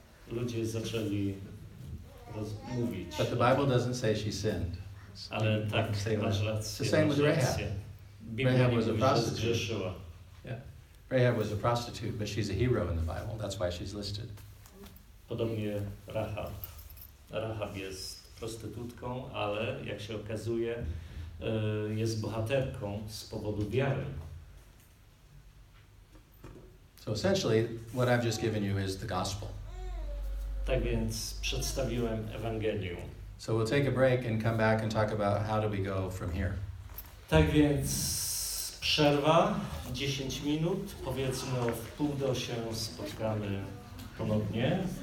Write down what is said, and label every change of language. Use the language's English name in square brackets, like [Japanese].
[Polish] Ludzie zaczęli mówić. [English] But the Bible doesn't say she sinned. [Polish] Ale tak, [English] it's the same with Rahab. Rahab was a prostitute. Yeah. Rahab was a prostitute, but she's a hero in the Bible. That's why she's listed. [Polish] Podobnie Rahab. Rahab jest prostytutką, ale jak się okazuje, jest bohaterką z powodu wiary. [English] So essentially, what I've just given you is the gospel. [Polish] Tak więc przedstawiłem Ewangelium. [English] So we'll take a break and come back and talk about how do we go from here. [Polish] Tak więc przerwa 10 minut. Powiedzmy o 7:30 spotkamy ponownie.